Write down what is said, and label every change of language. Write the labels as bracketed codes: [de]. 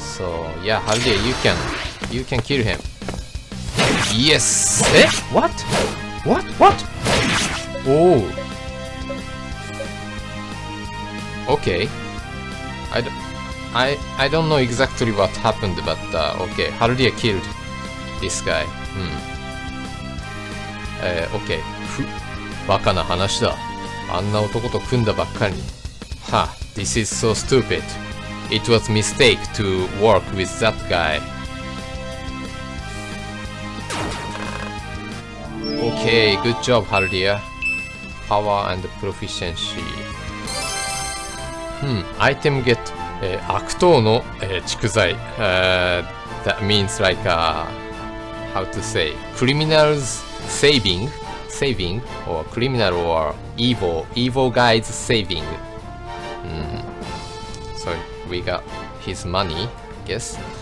[en] So yeah, Haruhiya, you can kill him. Yes. Eh? What? What? What? Oh. Okay. I don't know exactly what happened, but okay, Haruhiya killed this guy. [ja] OK。 バカな話だ。あんな男と組んだばっかりに。 [en] Ha, this is so stupid. It was a mistake to work with that guy. OK, good job, Haldia. Power and proficiency. [ja] アイテムゲット、悪党の、蓄財、 [en] that means like a how to say criminals saving or criminal or evil guys saving、so we got his money, I guess.